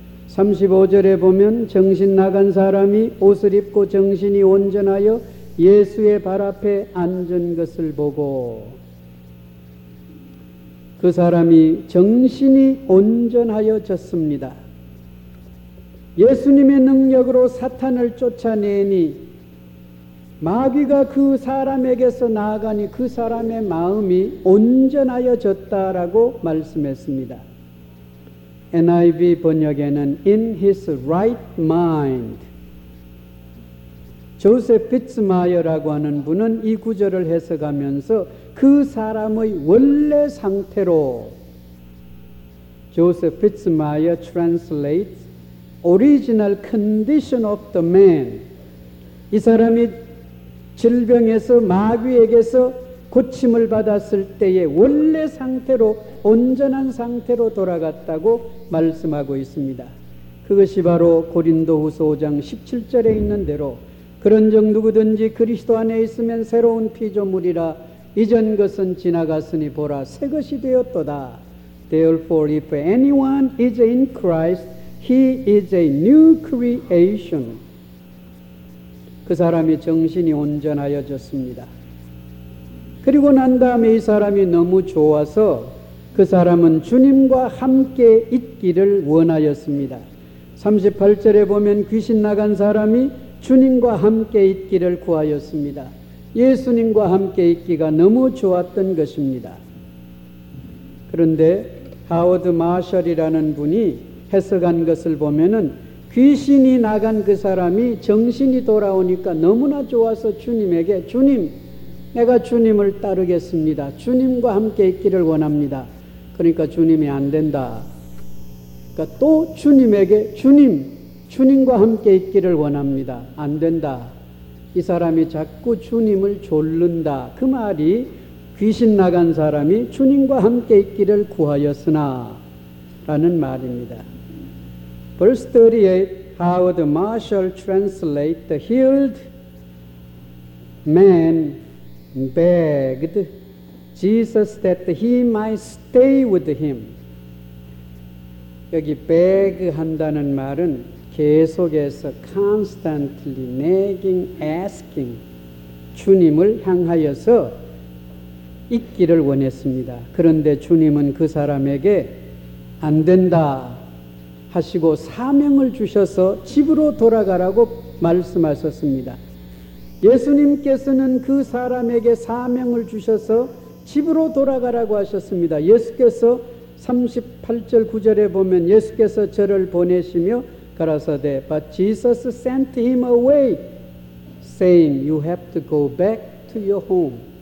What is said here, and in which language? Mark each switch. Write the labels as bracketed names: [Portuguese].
[Korean] 35절에 보면 정신 나간 사람이 옷을 입고 정신이 온전하여 예수의 발 앞에 앉은 것을 보고 그 사람이 정신이 온전하여졌습니다. 예수님의 능력으로 사탄을 쫓아내니 마귀가 그 사람에게서 나아가니 그 사람의 마음이 온전하여졌다라고 말씀했습니다. [English] NIV [Korean] 번역에는 [English] In his right mind. [Korean] 조셉 비츠마이어라고 하는 분은 이 구절을 해석하면서 그 사람의 원래 상태로 조셉 비츠마이어 [English] translates original condition of the man. [Korean] 이 사람이 질병에서 마귀에게서 고침을 받았을 때의 원래 상태로 온전한 상태로 돌아갔다고 말씀하고 있습니다. 그것이 바로 고린도후서 5장 17절에 있는 대로 그런즉 누구든지 그리스도 안에 있으면 새로운 피조물이라 이전 것은 지나갔으니 보라 새 것이 되었도다. [English] Therefore if anyone is in Christ he is a new creation. [Korean] 그 사람이 정신이 온전하여졌습니다. 그리고 난 다음에 이 사람이 너무 좋아서 그 사람은 주님과 함께 있기를 원하였습니다. 38절에 보면 귀신 나간 사람이 주님과 함께 있기를 구하였습니다. 예수님과 함께 있기가 너무 좋았던 것입니다. 그런데 하워드 마셜이라는 분이 해석한 것을 보면은 귀신이 나간 그 사람이 정신이 돌아오니까 너무나 좋아서 주님에게 주님 내가 주님을 따르겠습니다. 주님과 함께 있기를 원합니다. 그러니까 주님이 안 된다. 그러니까 또 주님에게 주님 주님과 함께 있기를 원합니다. 안 된다. 이 사람이 자꾸 주님을 졸른다. 그 말이 귀신 나간 사람이 주님과 함께 있기를 구하였으나 라는 말입니다. [English] Verse 38, How the Marshal translate the healed man begged Jesus that he might stay with him. [Korean] 여기 beg 한다는 말은 계속해서 [English] constantly nagging, asking [Korean] 주님을 향하여서 있기를 원했습니다. 그런데 주님은 그 사람에게 안 된다 하시고 사명을 주셔서 집으로 돌아가라고 말씀하셨습니다. 예수님께서는 그 사람에게 사명을 주셔서 집으로 돌아가라고 하셨습니다. 예수께서 38절 9절에 보면 예수께서 저를 보내시며 가라사대 [English] But Jesus sent him away saying you have to go back to your home.